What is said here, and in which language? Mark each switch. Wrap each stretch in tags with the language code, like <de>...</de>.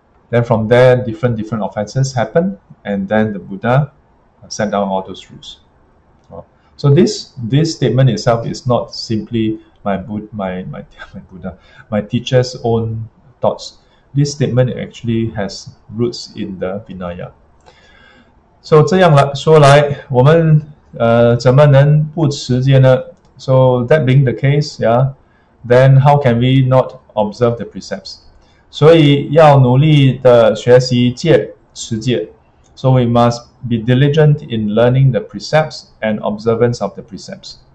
<en>Then from there, different offenses happen, and then the Buddha set down all those rules. So this statement itself is not simply my Buddha, my teacher's own thoughts. This statement actually has roots in the Vinaya.</en> <zh>So 这样来说来，我们怎么能不持戒呢？</zh> <en>So that being the case, yeah, then how can we not observe the precepts?</en> <zh>所以要努力的学习戒持戒。</zh> <en>So we must be diligent in learning the precepts and observance of the precepts.</en>